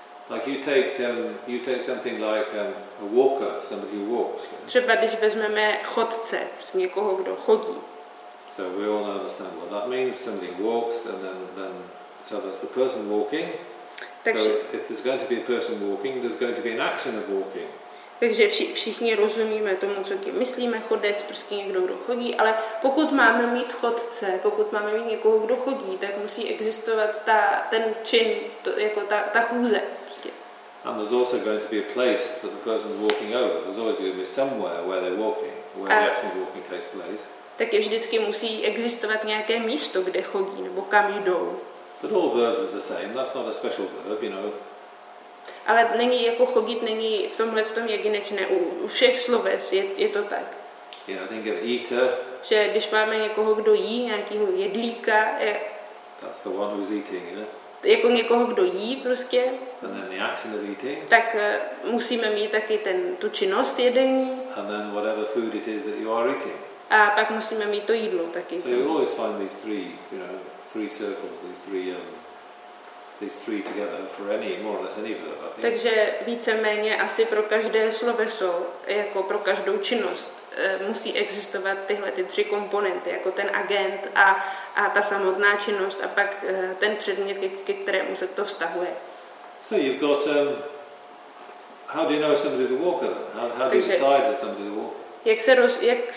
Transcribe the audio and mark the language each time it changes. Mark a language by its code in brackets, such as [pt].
[en] Like you take something like a walker, somebody who walks. [cs] Třeba když vezmeme chodce, někoho, kdo chodí. [en] So we all understand what that means. Somebody walks, and then so that's the person walking. [cs] Takže, [en] so if there's going to be a person walking, there's going to be an action of walking. [cs] Takže všichni rozumíme tomu, co tím myslíme, chodec, prostě někdo, kdo chodí, ale pokud máme mít chodce, pokud máme mít někoho, kdo chodí, tak musí existovat ten čin, jako ta chůze. [en] And there's also going to be a place that the person's walking over. There's always going to be somewhere where they're walking, where the action of walking takes place. [cs] Taky vždycky musí existovat nějaké místo, kde chodí, nebo kam jdou. [en] But all verbs are the same. That's not a special verb, you know. [cs] Ale není jako chodit, není v tomhle tom jedinečné. U všech sloves je to tak. [en] Yeah, I think of eater. [cs] Že když máme někoho, kdo jí, nějakého jedlíka. Je, [en] that's the one who's eating, you know? [cs] Jako někoho, kdo jí prostě. [en] And then the action of eating. [cs] Tak musíme mít taky ten, tu činnost jedení. [en] And then whatever food it is that you are eating. [cs] A pak musíme mít to jídlo taky. [en] So you always find these three, you know, three circles, these three together for any, more or less any verb, I think. [cs] Takže víceméně asi pro každé sloveso, jako pro každou činnost, musí existovat tyhle ty tři komponenty, jako ten agent a ta samotná činnost a pak ten předmět, ke kterému se to vztahuje. [en] So you've got, how do you know somebody's a walker? How do you decide that somebody's a walker?